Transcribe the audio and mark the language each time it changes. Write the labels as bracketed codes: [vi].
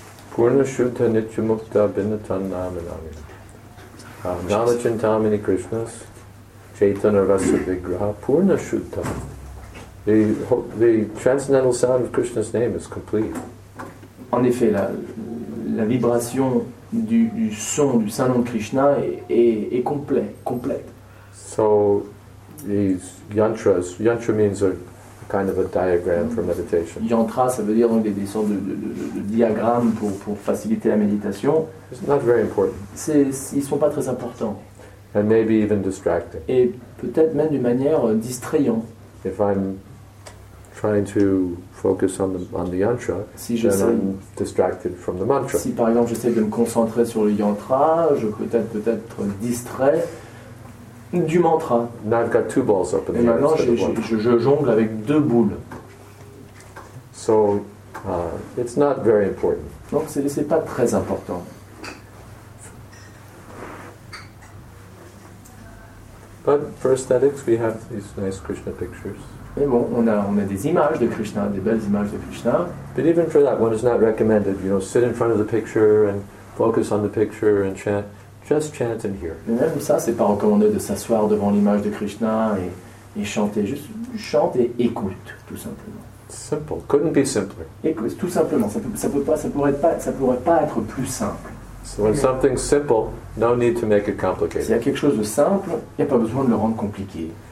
[sa] Purna Shuddha Nitya Mukta Binatan Naminami. Nama Chintamini Krishnas Chaitana Rasa Vigraha Purna Shuddha. [en] The transcendental sound of Krishna's name is complete. [fr] En effet, la vibration du son du saint nom de Krishna est complète. [en] So these yantras, yantra means kind of a diagram for meditation. [fr] Yantra, ça veut dire donc des sortes de diagrammes pour faciliter la méditation. [en] It's not very important. [fr] Ils sont pas très importants. [en] And maybe even distracting. [fr] Et peut-être même d'une manière distrayant. [en] If I'm trying to focus on the yantra, [fr] si j'essaie, [en] then I'm distracted from the mantra. [fr] Si par exemple j'essaie de me concentrer sur le yantra, je peut-être distrait du mantra. [en] Now I've got two balls up in the air. [fr] Et maintenant, je jongle avec deux boules. [en] So, it's not very important. [fr] Donc, c'est pas très important. [en] But for aesthetics, we have these nice Krishna pictures. [fr] Mais bon, on a des images de Krishna, des belles images de Krishna. [en] But even for that, one is not recommended. You know, sit in front of the picture and focus on the picture and chant. Just chant and hear. [fr] Mais même ça, c'est pas recommandé de s'asseoir devant l'image de Krishna et chanter. Juste chante et écoute, tout simplement. [en] Simple. Couldn't be simpler. [fr] Écoute, tout simplement. Ça pourrait pas être plus simple. [en] So when something's simple, no need to make it complicated. [fr] S'il y a quelque chose de simple, il y a pas besoin de le rendre compliqué.